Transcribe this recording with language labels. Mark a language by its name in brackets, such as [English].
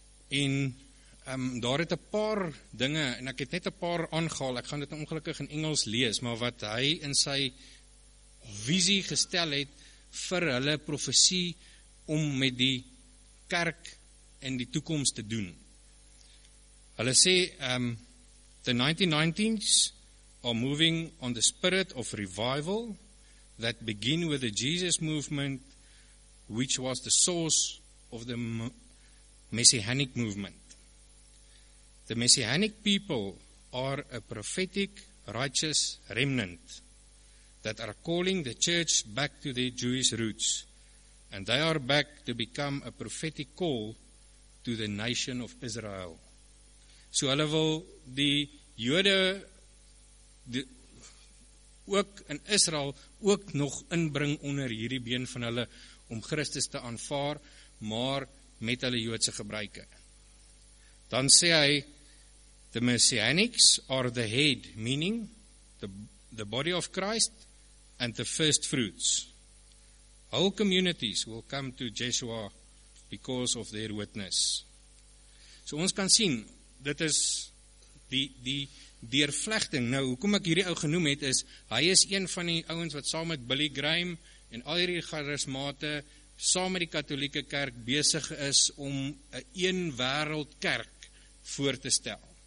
[Afrikaans] En daar het 'n paar dinge, en ek het net 'n paar aangehaal, ek gaan dit ongelukkig in Engels lees, maar wat hy in sy visie gestel het vir hulle profesie om met die kerk in die toekoms te doen. Hulle sê, [English] the 1990s are moving on the spirit of revival that begin with the Jesus movement, which was the source of the Messianic movement. The Messianic people are a prophetic, righteous remnant that are calling the church back to their Jewish roots, and they are back to become a prophetic call to the nation of Israel. [Afrikaans] So hulle wil die Jode die, ook in Israel ook nog inbring onder hierdie been van hulle om Christus te aanvaar, maar met hulle Joodse gebruike. Dan sê hy, [English] the Messianics are the head, meaning the body of Christ and the first fruits. Whole communities will come to Yeshua because of their witness. [Afrikaans] So ons kan sien, dit is die deurvlegting. Nou, hoekom ek hierdie ou genoem het, is hy is een van die ouens wat saam met Billy Graham en al hierdie charismate saam met die katolieke kerk besig is om 'n een wêreld kerk voor te stel.